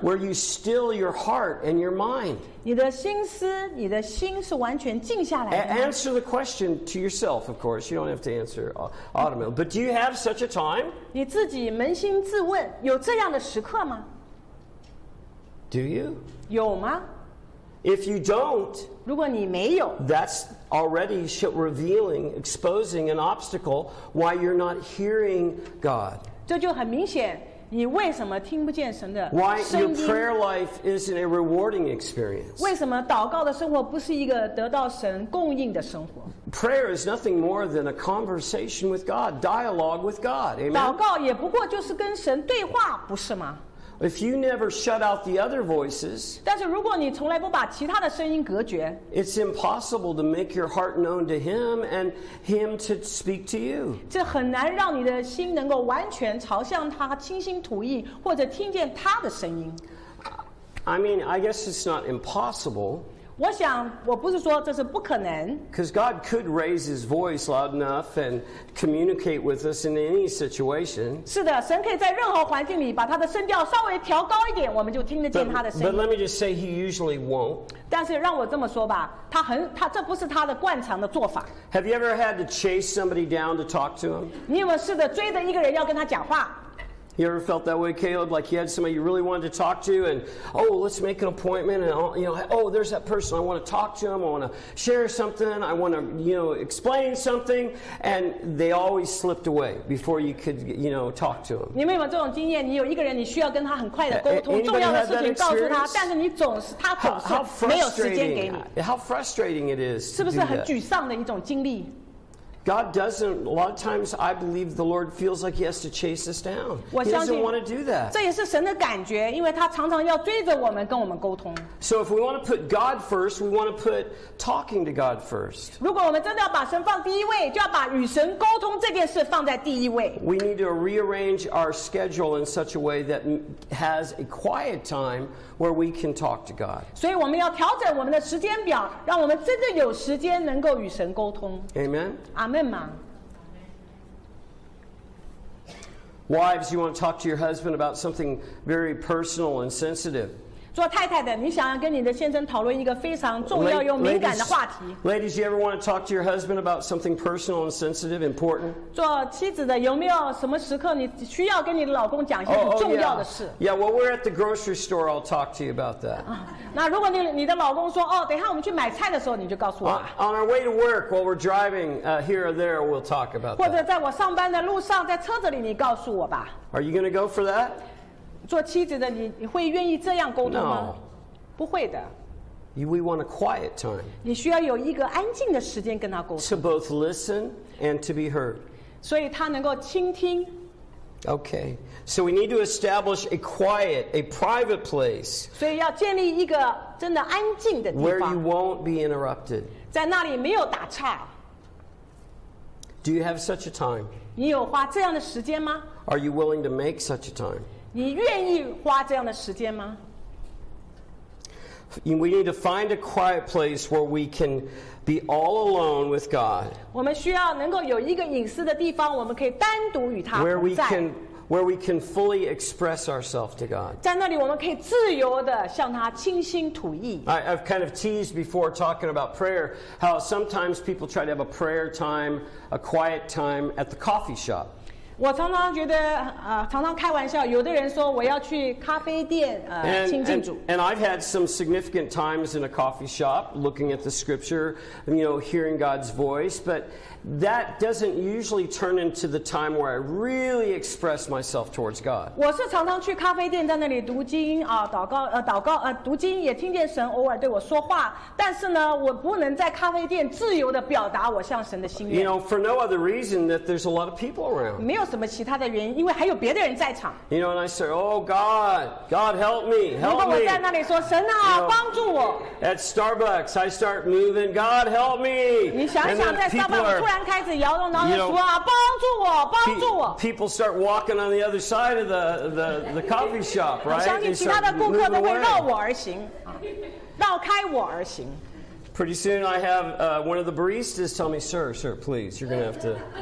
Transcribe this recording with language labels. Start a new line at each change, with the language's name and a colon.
English: Where you still your heart and your mind.
Chinese: 你的心思，你的心是完全静下来的吗？
English: Answer the question to yourself, of course. You don't have to answer automatically. But do you have such a time?
Chinese: 你自己扪心自问，有这样的时刻吗？
English: Do you?
Chinese: 有吗？
English: If you don't,
Chinese: 如果你没有，
English: that'sAlready revealing, exposing an obstacle why you're not hearing God.
Chinese: 这就很明显，你为什么听不见神的声音？
English: Why your prayer life isn't a rewarding experience?
Chinese: 为什么祷告的生活不是一个得到神供应的生活？
English: Prayer is nothing more than a conversation with God, dialogue with God. Amen.
Chinese: 祷告也不过就是跟神对话，不是吗？
English: If you never shut out the other voices,
Chinese: 但是如果你从来不把其他的声音隔绝，
English: it's impossible to make your heart known to him and him to speak to you.
Chinese: 这很难让你的心能够完全朝向他倾心吐意，或者听见他的声音。
English: I mean, I guess it's not impossible.
Chinese: 我想我不是说这是不可能。
English: Because God could raise his voice loud enough and communicate with us in any situation.
Chinese: 是的，神可以在任何环境里把他的声调稍微调高一点，我们就听得见他的声音。
English: But let me just say he usually won't.
Chinese: 但是让我这么说吧，他这不是他的惯常的做法。
English: Have you ever had to chase somebody down to talk to him?
Chinese: 你有没有试着追着一个人要跟他讲话？
English: You ever felt that way, Caleb? Like you had somebody you really wanted to talk to, and oh, let's make an appointment, and you know, oh, there's that person. I want to talk to him. I want to share something. I want to, you know, explain something. And they always slipped away before you could, you know, talk to him.
Chinese: 你们有没有这种经验？你有一个人，你需要跟他很快的沟通，重要的事情告诉他，但是你总是他总是没有时间给你。
English: How frustrating it is!
Chinese: 是不是很沮丧的一种经历？
English: God doesn't. A lot of times, I believe the Lord feels like He has to chase us down. He doesn't want to do that.
Chinese: 这也是神的感觉，因为他常常要追着我们跟我们沟通。
English: So if we want to put God first, we want to put talking to God first.
Chinese: 如果我们真的要把神放第一位，就要把与神沟通这件事放在第一位。
English: We need to rearrange our schedule in such a way that has a quiet time where we can talk to God.
Chinese: 所以我们要调整我们的时间表，让我们真的有时间能够与神沟通。
English: Amen. Amen. Wives, you want to talk to your husband about something very personal and sensitive.
Chinese: 做太太的，你想要跟你的先生讨论一个非常重要又敏感的话题。
English: Ladies, you ever want to talk to your husband about something personal and sensitive, important?
Chinese: 做妻子的，有没有什么时刻你需要跟你的老公讲一些很重要的事？
English: Yeah, well, we're at the grocery store. I'll talk to you about that.
Chinese: 那如果你的老公说哦，等一下我们去买菜的时候，你就告诉我。
English: On our way to work, while we're driving here or there, we'll talk about that.
Chinese: 或者在我上班的路上，在车子里，你告诉我吧。
English: Are you going to go for that?
Chinese: 做妻子的，你会愿意这样沟通吗？
English: No.
Chinese: 不会的。
English: We want a quiet time.
Chinese: 你需要有一个安静的时间跟他沟通。
English: To both listen and to be heard.
Chinese: 所以他能够倾听。
English: Okay, so we need to establish a quiet, a private place.
Chinese: 所以要建立一个真的安静的地方。
English: Where you won't be interrupted.
Chinese: 在那里没有打岔。
English: Do you have such a time?
Chinese: 你有花这样的时间吗？
English: Are you willing to make such a time?
Chinese: 你愿意花这样的时间吗？
English: We need to find a quiet place where we can be all alone with God.
Chinese: 我们需要能够有一个隐私的地方，我们可以单独与他同在。
English: Where we can fully express ourselves to God.
Chinese: 在那里我们可以自由地向他倾心吐意。
English: I've kind of teased before talking about prayer, how sometimes people try to have a prayer time, a quiet time at the coffee shop.
Chinese: 我常常觉得，常常开玩笑，有的人说我要去咖啡店，清静主。
English: And I've had some significant times in a coffee shop, looking at the scripture, you know, hearing God's voice, but that doesn't usually turn into the time where I really express myself towards God.
Chinese: 我是常常去咖啡店，在那里读经啊，祷告，读经也听见神偶尔对我说话，但是呢，我不能在咖啡店自由地表达我向神的心愿。
English: You know, for no other reason that there's a lot of people around.
Chinese: 没有什么其他的原因，因为还有别的人在场。
English: You know, and I say, "Oh God, God help me, help me."
Chinese: 如果我在那里说神啊，
English: you know,
Chinese: 帮助我。
English: At Starbucks, I start moving. God help me.
Chinese: 你想想，在 Starbucks 突然开始摇动，然后说啊，
English: you know,
Chinese: 帮助我，帮助我。
English: People start walking on the other side of the coffee shop, right?
Chinese: 我相信其他的顾客都会绕我而行，绕开我而行。
English: Pretty soon, I have one of the baristas tell me, "Sir, please, you're going to have to."